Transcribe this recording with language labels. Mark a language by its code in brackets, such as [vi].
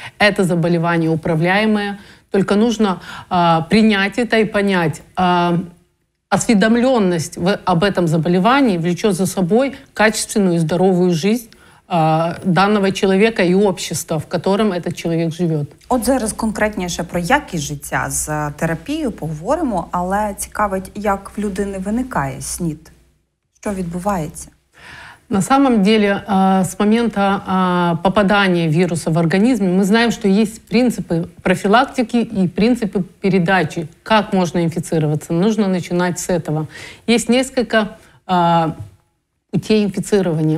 [ru] Это заболевание управляемое. Только нужно принять это и понять, осведомленность об этом заболевании влечет за собой качественную и здоровую жизнь данного человека и общества, в котором этот человек живет. [uk] От зараз конкретніше про якість життя з терапією поговоримо, але цікавить, як в людини виникає СНІД. Що відбувається? [ru] На самом деле, с момента попадания вируса в организм, мы знаем, что есть принципы профилактики и принципы передачи, как можно инфицироваться. Нужно начинать с этого. Есть несколько путей инфицирования.